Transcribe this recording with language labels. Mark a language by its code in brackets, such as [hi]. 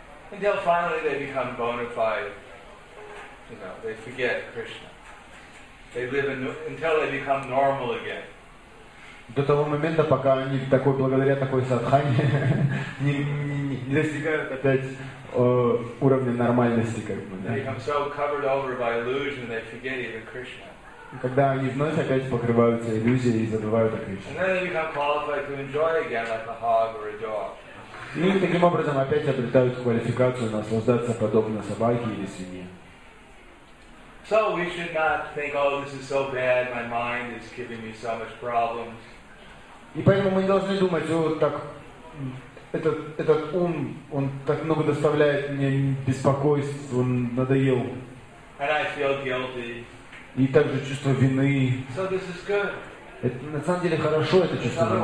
[en] Until finally they become bona fide, you know, they forget Krishna. They live until they become normal again. [ru] До того момента, пока они такой, благодаря такой садхане не достигают опять уровня нормальности, как бы. [en] They become so covered over by illusion they forget even Krishna. [ru] Когда они вновь опять покрываются иллюзией и забывают о Кришне. [en] And then they become qualified to enjoy again like a hog or a dog. [ru] И таким образом опять обретают квалификацию наслаждаться подобно собаке или свинье. [en] So we should not think, oh, this is so bad, my mind is giving me so much problems. [ru] И поэтому мы не должны думать, о, так, этот ум, он так много доставляет мне беспокойств, он надоел. [en] And I feel guilty. [ru] И также чувство вины. [en] So this is good. [ru] Это, на самом деле хорошо это чувство вины.